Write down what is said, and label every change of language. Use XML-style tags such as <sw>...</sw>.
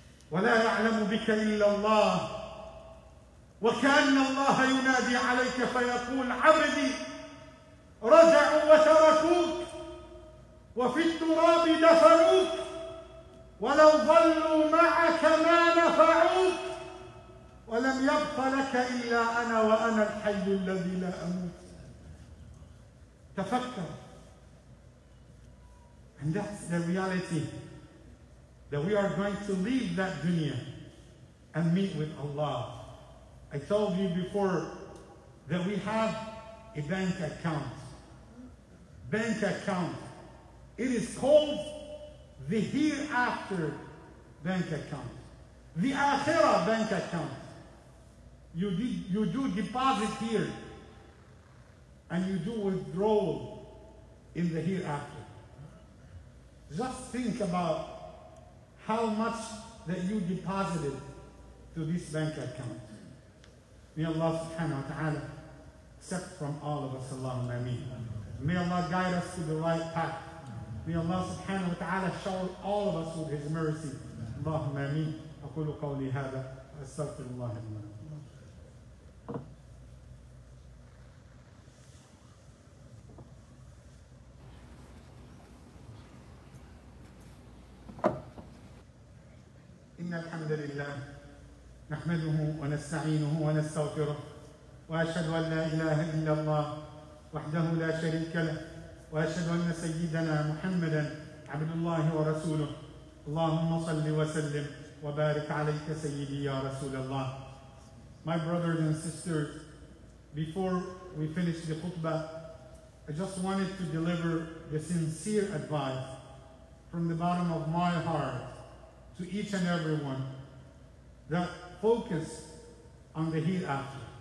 <ar>ولا يعلم بك إلا الله وكأن الله ينادي عليك فيقول عبدي رجعوا وتركوك وفي التراب دفنوك ولو ظلوا معك ما نفعوك ولم يبق لك إلا أنا وأنا الحي الذي لا أموت. تفكر.</ar> <en>And that's the reality, that we are going to leave that dunya and meet with Allah. I told you before that we have a bank account. Bank account. It is called the Hereafter bank account. The Akhirah bank account. You do deposit here and you do withdrawal in the Hereafter. Just think about how much that you deposited to this bank account. May Allah subhanahu wa ta'ala accept from all of us, Allahumma ameen. May Allah guide us to the right path. May Allah subhanahu wa ta'ala shower all of us with His mercy. Allahumma ameen.</en> <ar>أقول قولي هذا أستغفر الله لي ولكم. إن الحمد لله نحمده ونستعينه ونستغفره وأشهد أن لا إله إلا الله وحده لا شريك له وأشهد أن سيدنا محمدا عبد الله ورسوله اللهم صل وسلم وبارك عليك سيدي يا رسول الله.</ar> <en>My brothers and sisters, before we finish the khutbah, I just wanted to deliver the sincere advice from the bottom of my heart to each and everyone that focus on the hereafter.</en>